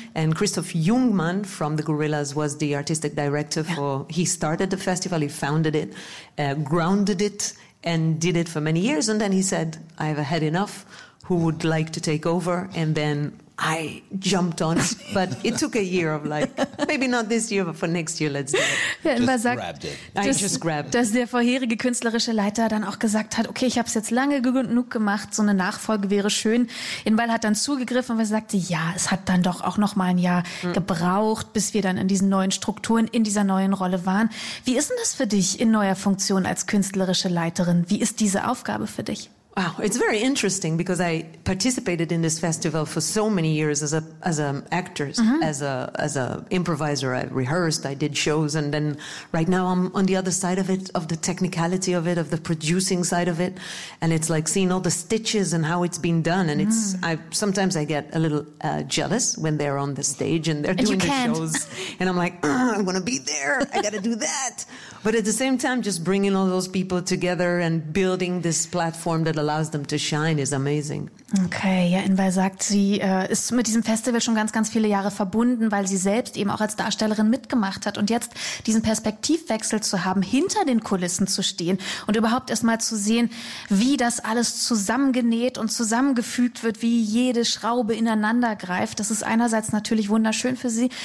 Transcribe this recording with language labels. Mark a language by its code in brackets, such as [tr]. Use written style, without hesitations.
[en] And Christoph Jungmann from the Gorillaz was the artistic director for, he started the festival, he founded it, grounded it, and did it for many years. And then he said, I've had enough, who would like to take over? And then I jumped on, but it took a year of like, maybe not this year, but for next year, let's do it. [de] Ja, just sagt, [en] grabbed it. I just grabbed it. [de] Dass der vorherige künstlerische Leiter dann auch gesagt hat, okay, ich habe es jetzt lange genug gemacht, so eine Nachfolge wäre schön. Inweil hat dann zugegriffen und sagte, ja, es hat dann doch auch noch mal ein Jahr gebraucht, bis wir dann in diesen neuen Strukturen, in dieser neuen Rolle waren. Wie ist denn das für dich in neuer Funktion als künstlerische Leiterin? Wie ist diese Aufgabe für dich? [en] Wow, it's very interesting because I participated in this festival for so many years as an actress, as a improviser. I rehearsed, I did shows, and then right now I'm on the other side of it, of the technicality of it, of the producing side of it, and it's like seeing all the stitches and how it's been done. And it's I sometimes get a little jealous when they're on the stage and they're and doing the shows, and I'm like, I'm gonna be there, I gotta do that. But at the same time, just bringing all those people together and building this platform that allows them to shine is amazing. [de] Okay, ja, Inval sagt, sie ist mit diesem Festival schon ganz, ganz viele Jahre verbunden, weil sie selbst eben auch als Darstellerin mitgemacht hat. Und jetzt diesen Perspektivwechsel zu haben, hinter den Kulissen zu stehen und überhaupt erstmal zu sehen, wie das alles zusammengenäht und zusammengefügt wird, wie jede Schraube ineinander greift, das ist einerseits natürlich wunderschön für sie.